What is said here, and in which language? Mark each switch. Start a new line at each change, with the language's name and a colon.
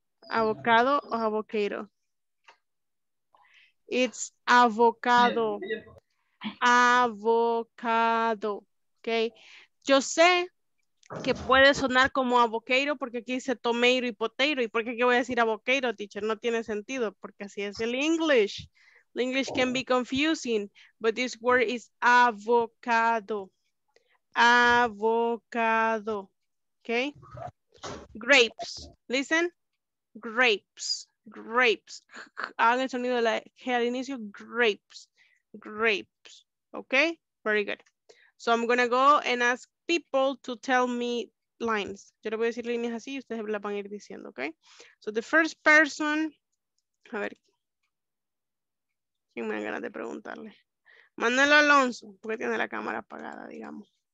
English: ¿Avocado o avocado? It's avocado. Avocado. Okay.
Spanish: Yo sé que puede sonar como avocado porque aquí dice tomato y potato. ¿Y por qué voy a decir avocado, teacher? No tiene sentido porque así es el English.
English: The English can be confusing, but this word is avocado. Avocado. Okay. Grapes. Listen. Grapes. Grapes.
Spanish: Hagan el sonido de la G al inicio.
English: Grapes. Grapes. Okay. Very good. So I'm going to go and ask people to tell me lines.
Spanish: Yo le voy a decir líneas así y ustedes las van a ir diciendo.
English: Okay. So the first person.
Spanish: A ver. ¿Quién me da ganas de preguntarle? Manuel Alonso, porque tiene la cámara apagada, digamos.